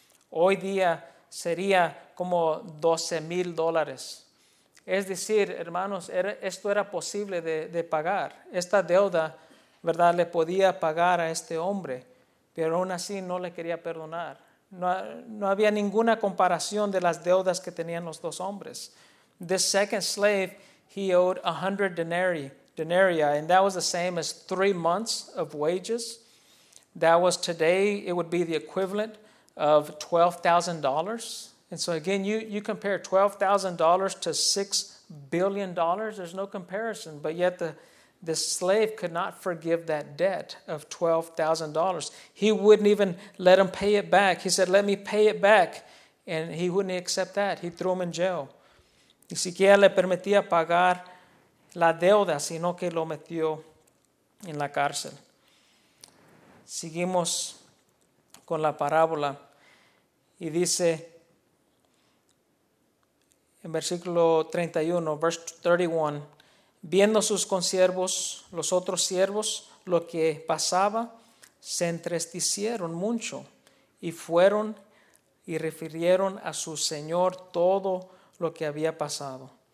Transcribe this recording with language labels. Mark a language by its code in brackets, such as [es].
[es] Hoy día sería como $12,000. Es decir, hermanos, esto era posible de pagar. Esta deuda verdad, le podía pagar a este hombre, pero aún así no le quería perdonar. No había ninguna comparación de las deudas que tenían los dos hombres. [en] This second slave, he owed 100 denarii, and that was the same as 3 months of wages. That was today, it would be the equivalent of $12,000. And so again, you compare $12,000 to $6 billion. There's no comparison. But yet the slave could not forgive that debt of $12,000. He wouldn't even let him pay it back. He said, let me pay it back. And he wouldn't accept that. He threw him in jail. [es] Ni siquiera le permitía pagar la deuda, sino que lo metió en la cárcel. Seguimos con la parábola. Y dice en versículo 31, [en] verse 31, [es] viendo sus consiervos, los otros siervos, lo que pasaba, se entristecieron mucho y fueron y refirieron a su señor todo lo que había pasado.